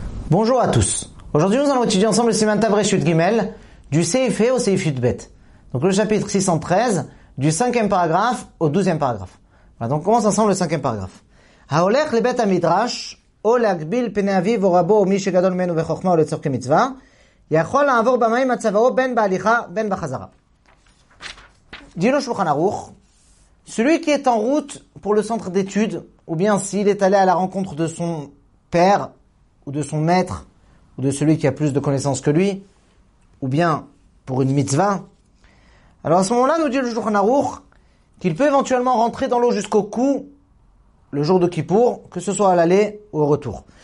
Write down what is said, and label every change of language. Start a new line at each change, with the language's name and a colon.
French: Bonjour à tous. Aujourd'hui, nous allons étudier ensemble le Siman Tav Reshut Gimel du Seifé au Seif Yud Bet. Donc le chapitre 613 du 5e paragraphe au 12e paragraphe. Voilà, donc on commence ensemble le 5e paragraphe.
Hebrew: Haolech le Bet Amidrash ולהגביל פני אביו או רבו או מי שגדול ממנו בחוכמה או לצורך כמצווה, יכול לעבור במים הצווארו בין בהליכה בין בחזרה. דינו שולחן ערוך,
French: celui qui est en route pour le centre d'études, ou bien s'il est allé à la rencontre de son père, ou de son maître, ou de celui qui a plus de connaissances que lui, ou bien pour une mitzvah, alors à ce moment-là, nous dit le Shulchan Aruch, qu'il peut éventuellement rentrer dans l'eau jusqu'au cou, le jour de Kippour, que ce soit à l'aller ou au retour.